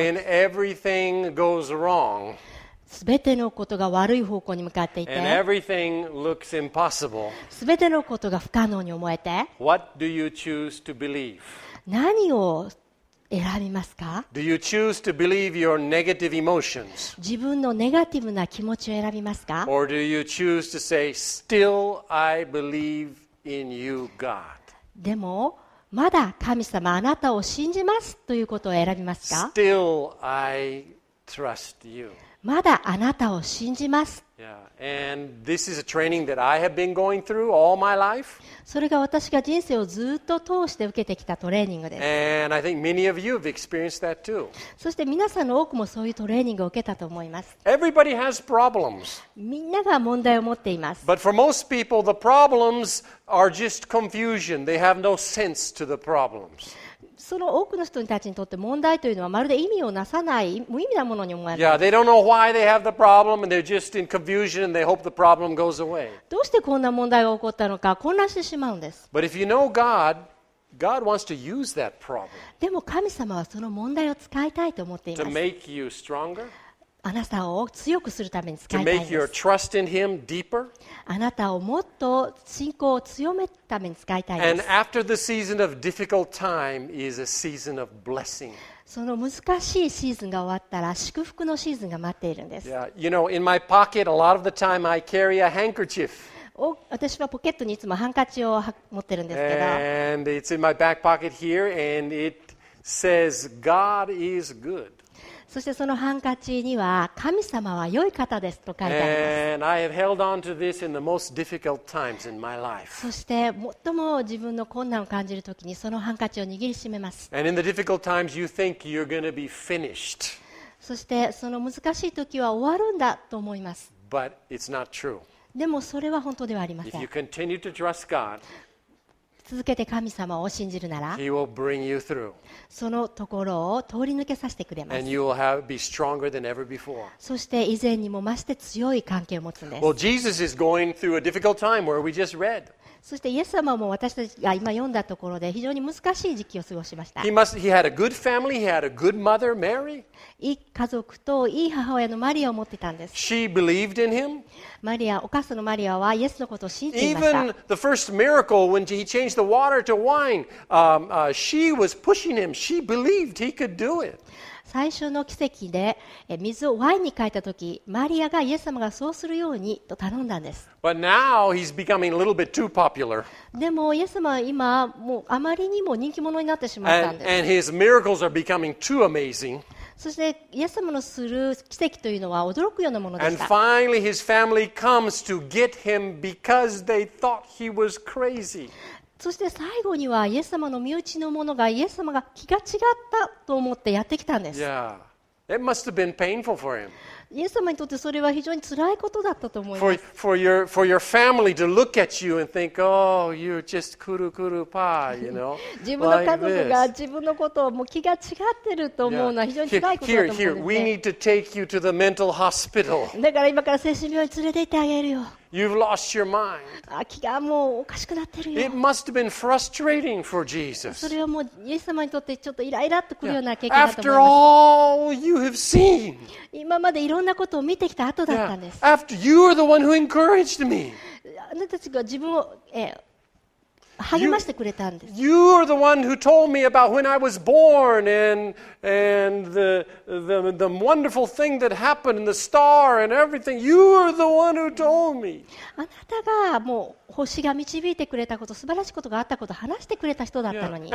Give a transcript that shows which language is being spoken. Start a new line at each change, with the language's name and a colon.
English: When everything goes wrong,
Japanese: 全てのことが悪い方向に向かっていて、
English: And everything looks impossible,
Japanese: 全てのことが不可能に思えて、
English: What do you choose to believe?
Japanese: 何を選びますか？
English: Do you choose to believe your negative emotions?
Japanese: 自分のネガティブな気持ちを選びますか？
English: Or do you choose to say, still I believe in you, God?
Japanese: でも、まだ神様あなたを信じますということを選びますか？
English: Still I trust you.
Japanese: まだあなたを信じます。
English: Yeah. And this is a training that I have been going through all my life.
Japanese: それが私が人生をずっと通して受けてきたトレーニングです。
English: And I think many of you have experienced that too.
Japanese: そして皆さんの多くもそういうトレーニングを受けたと思います。
English: Everybody has problems.
Japanese: みんなが問題を持っています。
English: But for most people, the problems are just confusion. They have no sense to the problems.
Japanese: その多くの人たちにとって問題というのはまるで意味をなさない無意味なものに思われます。
English: Yeah, they don't know why they have the problem and they're just in confusion and they hope the problem goes away.
Japanese: どうしてこんな問題が起こったのか混乱してしまうんです。
English: But if you know God, God wants to use that problem.
Japanese: でも神様はその問題を使いたいと思っています。
English: To make you stronger.
Japanese: あなたを強くするために使いたいんです。
English: To make your trust in him deeper.
Japanese: あなたをもっと信仰を強めるために使いたいです。
English: And after the season of difficult time is a season of blessing.
Japanese: その難しいシーズンが終わったら祝福のシーズンが待っているんです。
English: Yeah, you know, in my pocket, a lot of the time I carry a handkerchief.
Japanese: 私はポケットにいつもハンカチを持ってるんですけど。
English: And it's in my back pocket here, and it says, "God is good."
Japanese: そしてそのハンカチには神様は良い方ですと書いてあります。そして最も自分の困難を感じるときにそのハンカチを握りしめます。
English: And in the difficult times, you think you're going to be finished.
Japanese: そしてその難しいときは終わるんだと思います。
English: But it's not true.
Japanese: でもそれは本当ではありません。
English: If you continue to trust God,
Japanese: 続けて神様を信じるなら、
English: He will bring you through.
Japanese: そのところを通り抜けさせてくれます。
English: And you will have, be stronger than ever before.
Japanese: そして以前にも増して強い関係を持つんです。
English: Well, Jesus is going through a difficult time where we just read.
Japanese: そしてイエス様も私たちが今読んだところで非常に難しい時期を過ごしました。
English: He had a good family. He had a good mother, Mary.
Japanese: いい家族といい母親のマリアを持っていたんです。
English: She believed in him.
Japanese: マリア、お母さんのマリアはイエスのことを信じていました。
English: Even the first miracle when he changed the water to wine. She was pushing him. She believed he could do it.
Japanese: 最初の奇跡で水をワインに変えた時、マリアがイエス様がそうするようにと頼んだんです。
English: But now he's becoming a little bit too popular.
Japanese: でもイエス様は今もうあまりにも人気者になってしまったんです。
English: And his miracles are becoming too amazing.
Japanese: そしてイエス様のする奇跡というのは驚くようなものでした。
English: And finally his family comes to get him because they thought he was crazy.
Japanese: そして最後にはイエス様の身内の者がイエス様が気が違ったと思ってやってきたんです。
English: Yeah. It must have been painful for him.
Japanese: イエス様にとってそれは非常に辛いことだったと思います。
English: For your family to look at you and think, oh, you're just
Japanese: kuru kuru pa,
English: you know.
Japanese: 自分の家族が自分のことをもう気が違ってると思うのは非常に辛いことだと思うんですね。
English: Here, we need to take you to the mental hospital.
Japanese: だから今から精神病院連れて行ってあげるよ。
English: You've lost your mind.
Japanese: 気がもうおかしくなってるよ。
English: It must have been frustrating for Jesus.
Japanese: それはもうイエス様にとってちょっとイライラっとくるような経験だと思います。
English: After all you have seen.
Japanese: 今までいろんなことを見てきた後だったんです。
English: After you are the one who encouraged me.
Japanese: あなたたちが自分を励ましてくれたんです。
English: You are the one who told me about when I was born and the wonderful thing that happened and the star and everything. You are the one who told me.
Japanese: あなたがもう星が導いてくれたこと、素晴らしいことがあったこと話してくれた人だったのに。